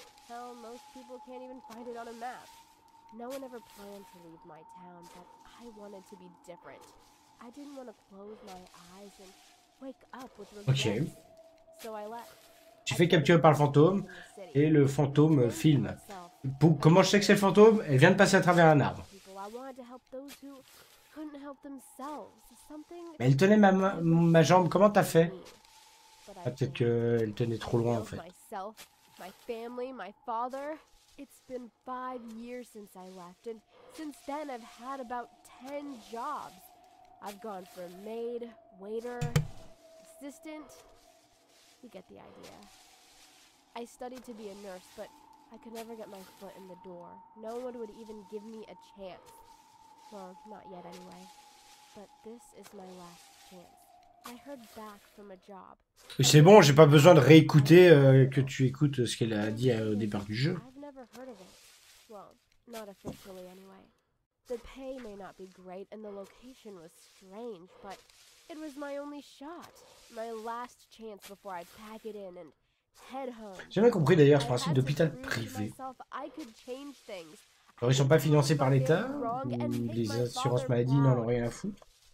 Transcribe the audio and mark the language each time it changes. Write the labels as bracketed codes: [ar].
[en] Hell, most people can't even find it on a map. No one ever planned to leave my town, but I wanted to be different. I didn't want to close my eyes and wake up with regrets. Okay. So I left. [fr] Tu fais capturer par le fantôme et le fantôme filme. Pour, comment je sais que c'est le fantôme? Elle vient de passer à travers un arbre. [en] I wanted to help those who couldn't help themselves. Something... [fr] Mais elle tenait ma jambe. Comment t'as fait? Ah, peut-être qu'elle tenait trop loin en fait. [en] My family, my father. It's been 5 years since I left, and since then I've had about 10 jobs. I've gone from maid, waiter, assistant. You get the idea. I studied to be a nurse, but I could never get my foot in the door. No one would even give me a chance. Well, not yet anyway. But this is my last chance. I heard back from a job. [fr] C'est bon, j'ai pas besoin de réécouter que tu écoutes ce qu'elle a dit au départ du jeu. [en] I've never heard of it. Well, not officially anyway. The pay may not be great and the location was strange, but it was my only shot. My last chance before I pack it in and head home. [fr] J'ai jamais compris d'ailleurs ce principe d'hôpital privé. Alors ils sont pas financés par l'État ou les assurances maladie n'en ont rien à foutre.